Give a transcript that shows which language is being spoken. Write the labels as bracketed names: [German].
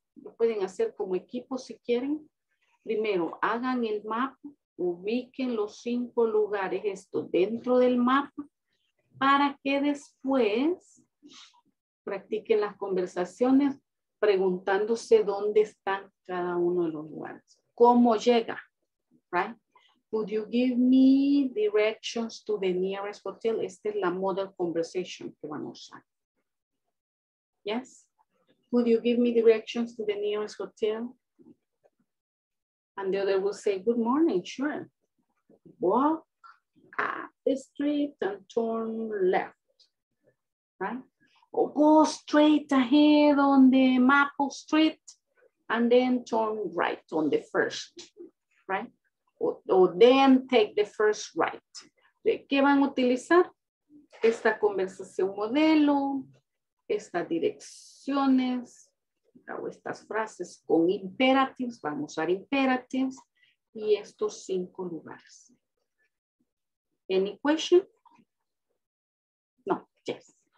[Spanish] Lo pueden hacer como equipo si quieren. Primero hagan el mapa. Ubiquen los 5 lugares esto dentro del mapa. Para que después practiquen las conversaciones preguntándose dónde están cada uno de los lugares. ¿Cómo llega? Right? [English] Could you give me directions to the nearest hotel? [Spanish] Esta es la [English] model conversation [Spanish] que van a usar. [English] Yes? Could you give me directions to the nearest hotel? And the other will say, good morning, sure. Walk up the street and turn left. Right? Or go straight ahead on the Maple Street. And then turn right on the first, right? Or then take the first right. [Spanish] ¿Qué van a utilizar? Esta conversación modelo, estas direcciones, o estas frases con imperatives, van a usar imperatives, y estos 5 lugares. [English] Any question? No, yes.